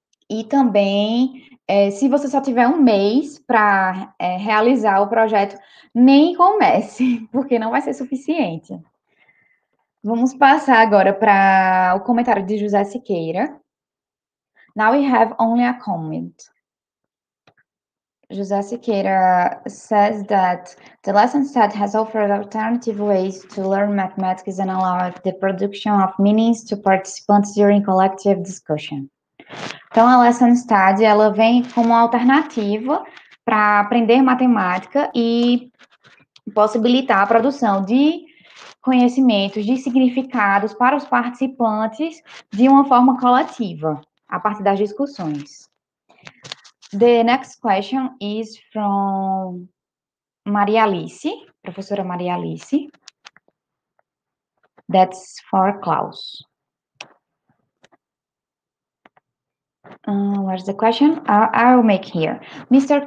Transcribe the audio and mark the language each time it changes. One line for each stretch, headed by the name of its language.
Portuguese: E também, se você só tiver um mês para realizar o projeto, nem comece, porque não vai ser suficiente. Vamos passar agora para o comentário de José Siqueira.
English: Now we have only a comment. José Siqueira says that the lesson set has offered alternative ways to learn mathematics and allowed the production of meanings to participants during collective discussion.
Portuguese: Então, a lesson study, ela vem como alternativa para aprender matemática e possibilitar a produção de conhecimentos, de significados para os participantes de uma forma coletiva, a partir das discussões.
English: The next question is from Maria Alice, Professora Maria Alice. That's for Klaus. Where's the question? I'll make here. Mr.